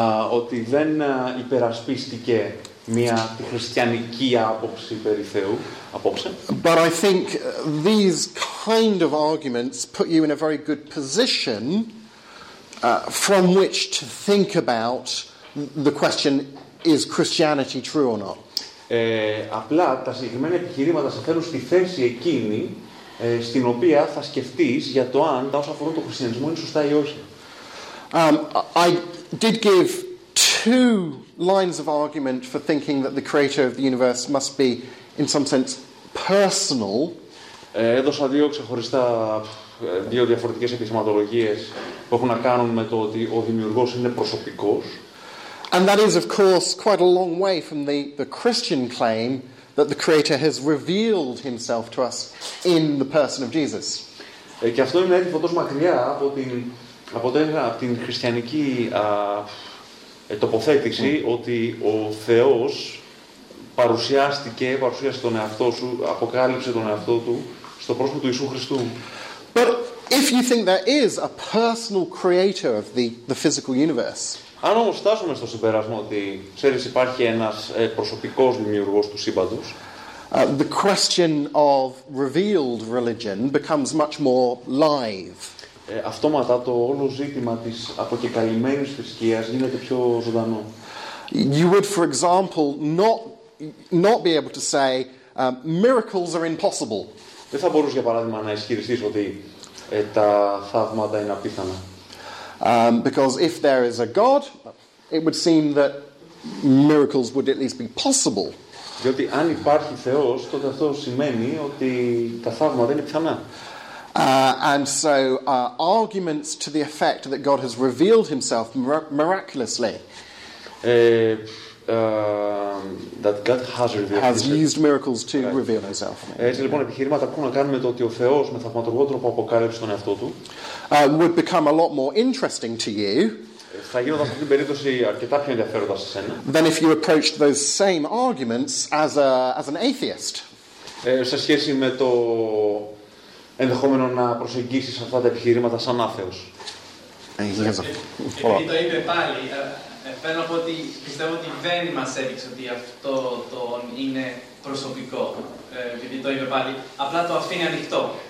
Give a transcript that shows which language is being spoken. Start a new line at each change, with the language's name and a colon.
Greek: Ότι δεν υπερασπίστηκε μια χριστιανική άποψη περί Θεού απόψε.
English: But I think these kind of arguments put you in a very good position from which to think about the question, is Christianity true or not?
Greek: Απλά τα συγκεκριμένα επιχειρήματα σε θέλουν στη θέση εκείνη στην οποία θα σκεφτείς για το αν τα όσα αφορούν τον χριστιανισμό είναι σωστά ή όχι.
English: I did give two lines of argument for thinking that the creator of the universe must be, in some sense, personal.
Greek: Έδωσα δύο ξεχωριστά, δύο διαφορετικές επιχειρηματολογίες που έχουν να κάνουν με το ότι ο δημιουργός είναι προσωπικός.
English: And that is, of course, quite a long way from the Christian claim that the Creator has revealed himself to us in the person of Jesus.
Greek: Και αυτό είναι έντυπο τόσο μακριά από την χριστιανική τοποθέτηση ότι ο Θεός παρουσιάστηκε τον εαυτό σου, αποκάλυψε τον εαυτό του στο πρόσωπο του Ιησού Χριστού.
English: But if you think there is a personal creator of the physical universe,
Greek: αν όμως φτάσουμε στο συμπέρασμα ότι ξέρεις υπάρχει ένας προσωπικός δημιουργός του σύμπαντος,
English: the question of revealed religion becomes much more live.
Greek: Αυτόματα το όλο ζήτημα της αποκεκαλυμένης θρησκείας γίνεται πιο ζωντανό.
English: You would, for example, not be able to say miracles are impossible.
Greek: Δεν θα μπορούσες, για παράδειγμα, να ισχυριστείς ότι τα θαύματα είναι απίθανα.
English: Because if there is a God, it would seem that miracles would at least be possible.
Greek: Γιατί αν υπάρχει Θεός, τότε αυτό σημαίνει ότι τα θαύματα είναι πιθανά.
English: And so arguments to the effect that God has revealed himself miraculously, that God has revealed himself, has used miracles to reveal himself.
Greek: Έτσι λοιπόν, επιχειρήματα που να κάνουμε το ότι ο Θεός με θαυματουργό τρόπο αποκάλυψε τον εαυτό του,
English: would become a lot more interesting to you than if you approached those same arguments as an atheist.
Greek: Σε σχέση με το ενδεχόμενο να προσεγγίσεις αυτά τα επιχειρήματα σαν άθεος. Το είπε πάλι. Θέλω να πω ότι πιστεύω ότι δεν μας έδειξε ότι αυτό το είναι προσωπικό, επειδή το είπε πάλι. Απλά το αφήνει ανοιχτό.